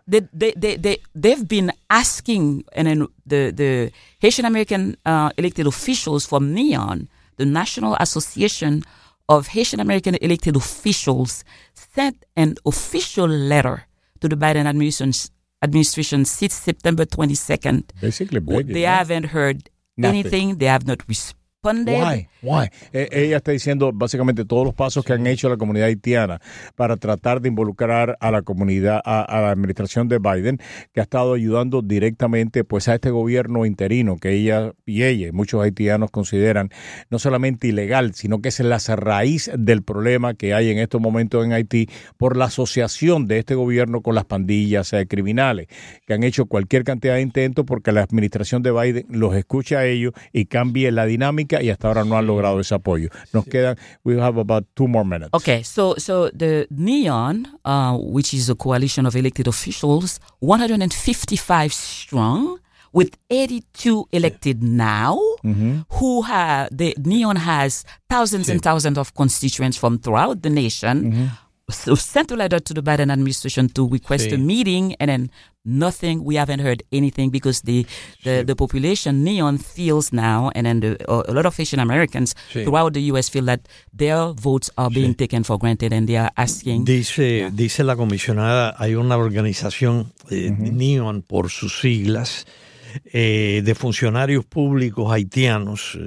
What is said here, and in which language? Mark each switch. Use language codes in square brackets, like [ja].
[en] they've been asking, and then the Haitian American elected officials from NEON, the National Association of Haitian American Elected Officials, sent an official letter to the Biden administration since September 22nd. Basically, haven't heard anything. They have not responded. Why? [es] Ella está diciendo básicamente todos los pasos que han hecho la comunidad haitiana para tratar de involucrar a la comunidad, a la administración de Biden, que ha estado ayudando directamente a este gobierno interino que ella y muchos haitianos consideran no solamente ilegal, sino que es la raíz del problema que hay en estos momentos en Haití por la asociación de este gobierno con las pandillas criminales, que han hecho cualquier cantidad de intentos porque la administración de Biden los escucha a ellos y cambie la dinámica, y hasta ahora no han logrado ese apoyo. [en] We have about two more minutes. Okay, so the NEON, which is a coalition of elected officials, 155 strong, with 82 elected now, mm-hmm. who have, the NEON has thousands and thousands of constituents from throughout the nation, mm-hmm. so sent a letter to the Biden administration to request a meeting, and then nothing. We haven't heard anything because the population NEON feels now, and then a lot of Asian Americans throughout the U.S. feel that their votes are being taken for granted, and they are asking. [es] Dice la comisionada, hay una organización NEON por sus siglas de funcionarios públicos haitianos.